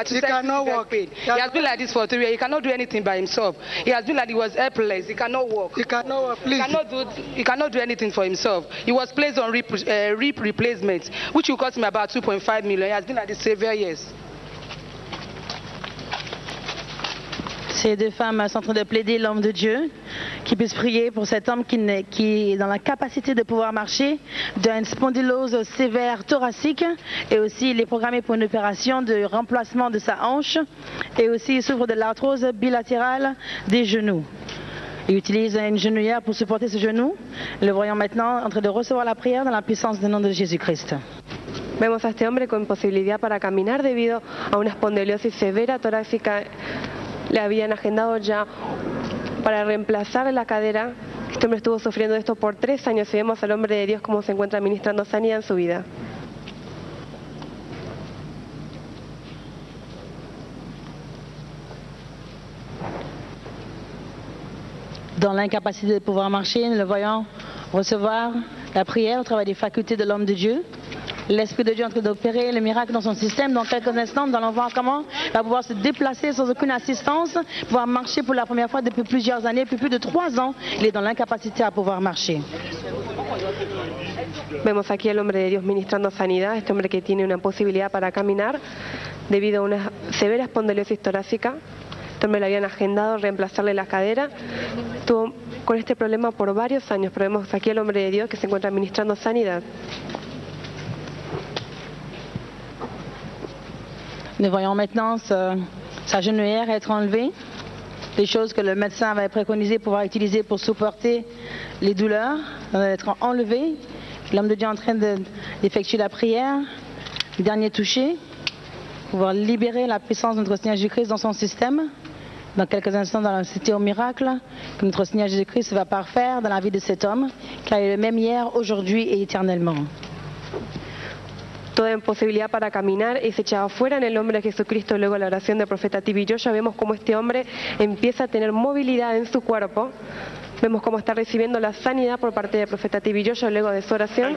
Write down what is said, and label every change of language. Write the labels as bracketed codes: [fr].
[en] He cannot walk. He has been like this for 3 years. He cannot do anything by himself. He has been like he was helpless. He cannot walk. He cannot walk. Please. He cannot do anything for himself. He was placed on rib replacement, which will cost him about 2.5 million. He has been like this several years. [fr] Ces deux femmes sont en train de plaider l'homme de Dieu qui puisse prier pour cet homme qui est dans la capacité de pouvoir marcher d'une spondylose sévère thoracique et aussi il est programmé pour une opération de remplacement de sa hanche et aussi il souffre de l'arthrose bilatérale des genoux. Il utilise une genouillère pour supporter ce genou. Le voyons maintenant en train de recevoir la prière dans la puissance du nom de Jésus-Christ. [es] Vemos a este hombre con imposibilidad para caminar debido a una espondilosis severa torácica. Le habían agendado ya para reemplazar la cadera. Este hombre estuvo sufriendo esto por 3 años y vemos al hombre de Dios cómo se encuentra ministrando sanidad en su vida. [fr] Dans l'incapacité de pouvoir marcher, nous le voyons recevoir la prière au travail des facultés de l'homme de Dieu. L'Esprit de Dieu est en train d'opérer le miracle dans son système. Dans quelques instants, nous allons voir comment il va pouvoir se déplacer sans aucune assistance, pouvoir marcher pour la première fois depuis plusieurs années, depuis plus de 3 ans. Il est dans l'incapacité à pouvoir marcher. [es] Vemos aquí el hombre de Dios ministrando sanidad, este hombre que tiene una imposibilidad para caminar debido a una severa espondilosis torácica. Este hombre lo habían agendado reemplazarle la cadera. Estuvo con este problema por varios años, pero vemos aquí al hombre de Dios que se encuentra ministrando sanidad. [fr] Nous voyons maintenant sa genouillère être enlevée, les choses que le médecin avait préconisées pouvoir utiliser pour supporter les douleurs, être enlevées. L'homme de Dieu est en train d'effectuer la prière, dernier toucher, pouvoir libérer la puissance de notre Seigneur Jésus-Christ dans son système. Dans quelques instants, dans la cité au miracle, que notre Seigneur Jésus-Christ va parfaire dans la vie de cet homme, car il est le même hier, aujourd'hui et éternellement. [es] toda imposibilidad para caminar es echada fuera en el nombre de Jesucristo. Luego la oración del profeta Tibi y Joshua, vemos cómo este hombre empieza a tener movilidad en su cuerpo. Vemos cómo está recibiendo la sanidad por parte del profeta Tibi y Joshua luego de su oración.